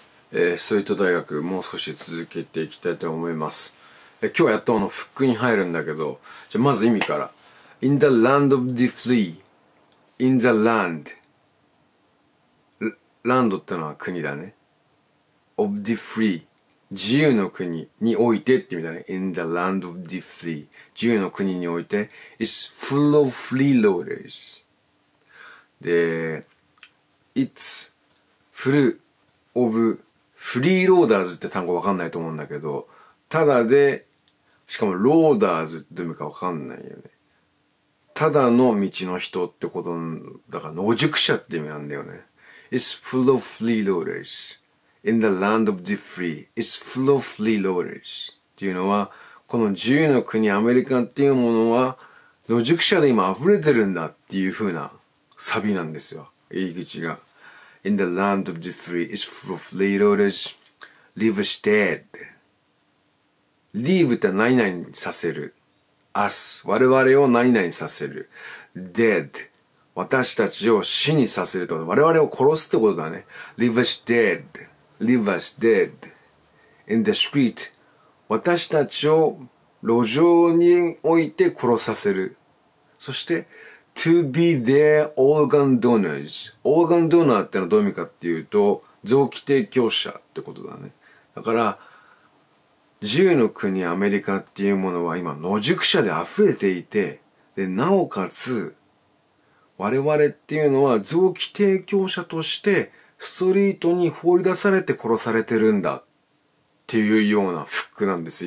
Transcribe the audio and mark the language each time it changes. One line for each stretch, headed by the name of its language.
Japanese: ストリート大学もう少し続けていきたいと思います。今日はやっとあのフックに入るんだけど、じゃまず意味から。
English: In the land of the free、 In the land、
Japanese: ランドってのは国だね。
English: Of the free、
Japanese: 自由の国においてって意味だね。 In the land of the free、 自由の国において。
English: It's full of freeloaders。
Japanese: で、
English: It's full of freeloaders
Japanese: って単語わかんないと思うんだけど、ただで、しかもローダーズって読むかわかんないよね。ただの道の人ってことだから、野宿者って意味なんだよね。
English: It's full of freeloaders. In the land of the free. It's full of freeloaders.
Japanese: っていうのは、この自由の国アメリカっていうものは、野宿者で今溢れてるんだっていう風なサビなんですよ。入り口が。
English: In the land of the free. It's full of freeloaders. Leave us dead.
Japanese: Leave って何々させる。Us、 我々を何々させる。 Dead、 私たちを死にさせるってこと。我々を殺すってことだね。
English: Leave us dead。 Leave us dead。 In the street、
Japanese: 私たちを路上に置いて殺させる。そして、
English: To be their organ donors。
Japanese: Organ donor ってのはどういう意味かっていうと、臓器提供者ってことだね。だから、自由の国アメリカっていうものは今野宿者で溢れていて、でなおかつ我々っていうのは臓器提供者としてストリートに放り出されて殺されてるんだっていうようなフックなんです。